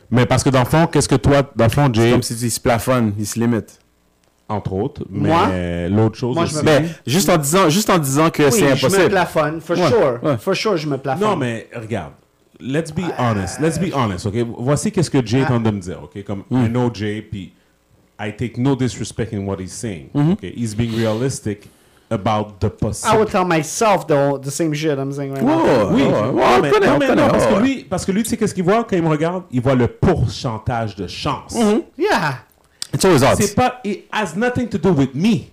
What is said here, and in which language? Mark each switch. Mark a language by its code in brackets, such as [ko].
[fr] Mais parce que dans le fond, qu'est-ce que toi, dans le fond, Jay... C'est comme si il se plafonne, il se limite. Entre autres, mais moi? L'autre chose moi, aussi... Mais juste en disant que oui, c'est impossible. Oui, je me plafonne, for ouais. sure. Ouais. [en] For sure, [fr] je me plafonne. Non, mais regarde, [en] let's be honest. Let's be honest, OK? [fr] Voici qu'est-ce que Jay tente de me dire, OK? [en] Comme, I know Jay, [fr] puis [en] I take no disrespect in what he's saying, OK? He's being realistic... About the possible. I would tell myself the same shit I'm saying right now. [fr] Oui, non, parce que lui, tu sais qu'est-ce qu'il voit quand il me regarde? Il voit le pourcentage de chance. [en] Mm-hmm. Yeah. It's always odds. [fr] C'est pas, [en] it has nothing to do with me.